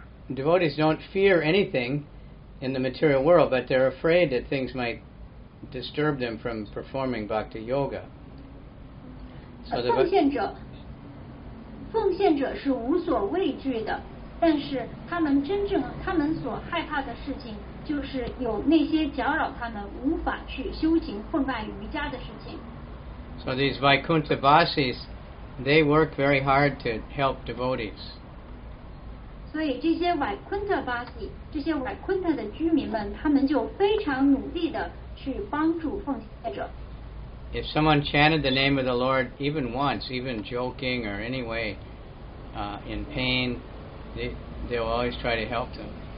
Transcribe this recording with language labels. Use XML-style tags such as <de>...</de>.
<en>devotees don't fear anything in the material world, but they're afraid that things might disturb them from performing bhakti yoga. So the</en> <zh>奉献者是无所畏惧的，但是他们所害怕的事情，就是有那些搅扰他们无法去修行奉爱瑜伽的事情。</zh> <en>So these Vaikuntha Vasis, they work very hard to help devotees.</en> <zh>所以这些Vaikuntha Vasi，这些Vaikuntha的居民们，他们就非常努力的去帮助奉献者。</zh> <en>If someone chanted the name of the Lord even once, even joking or any way, in pain, they will always try to help them.</en>